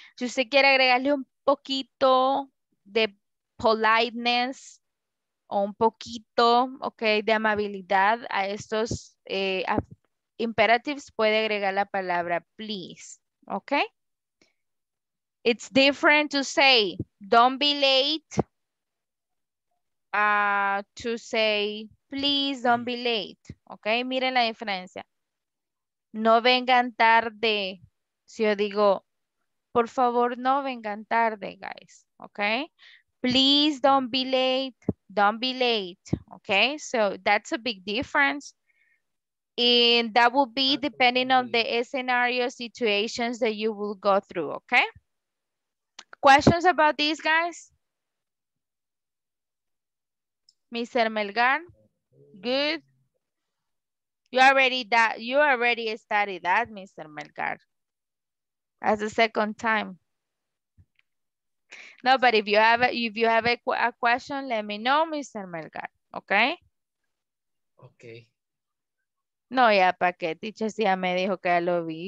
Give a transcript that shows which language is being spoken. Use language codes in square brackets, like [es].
[es] Si usted quiere agregarle un poquito de politeness, o un poquito, ok, de amabilidad a estos imperatives, puede agregar la palabra please, ok. [en] It's different to say, don't be late, to say, please don't be late, ok. [es] Miren la diferencia. No vengan tarde, si yo digo, por favor, no vengan tarde, guys, ok. [en] Please don't be late. Don't be late, okay? So that's a big difference. And that will be depending on the scenario situations that you will go through, okay? Questions about these guys? Mr. Melgar, good. You already studied that, Mr. Melgar. That's the second time. No, but if you have a question, let me know, Mr. Melgar, okay? Okay. [es] No, ya, pa' qué, teacher, si ya me dijo que ya lo vi.